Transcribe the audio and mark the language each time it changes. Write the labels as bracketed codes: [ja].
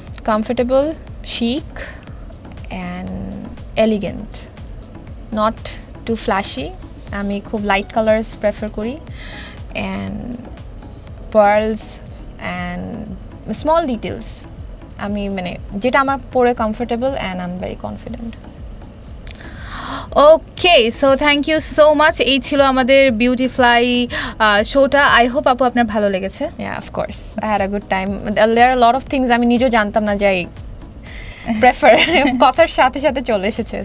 [en] comfortable, chic and elegant, not too flashy, [bn] আমি খুব লাইট কালার্স প্রেফার করি [en] And pearls and small details. [bn] আমি মানে যেটা আমার পরে comfortable [en] And I am very confident. Okay, so thank you so much. [bn] এই ছিল আমাদের বিউটিফ্লাই শোটা. [en] I hope [bn] আপু আপনার ভালো লেগেছে. [en] হ্যাঁ, of course I had a good time. There are lot of things [bn] আমি নিজেও জানতাম না, যাই প্রেফার কথার সাথে সাথে চলে এসেছে.